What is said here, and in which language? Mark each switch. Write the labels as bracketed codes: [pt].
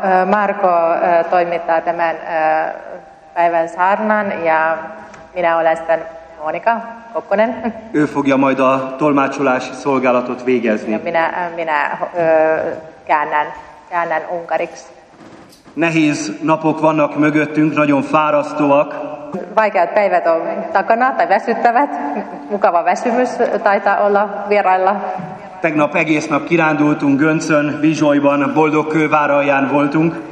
[fi] Márko toimittaa tämän päivän saarnan ja minä olen sitten Mónika Kokkonen. [hu] Ő fogja majd a tolmácsolási szolgálatot végezni. [fi] Ja minä käännän unkariksi. [hu] Nehéz napok vannak mögöttünk, nagyon fárasztóak. [fi] Vaikeat päivät on takana tai väsyttävät. Mukava väsymys taitaa olla vierailla. [hu] Tegnap egész nap kirándultunk Göncön, Vizsolyban, Boldogkővár alján voltunk.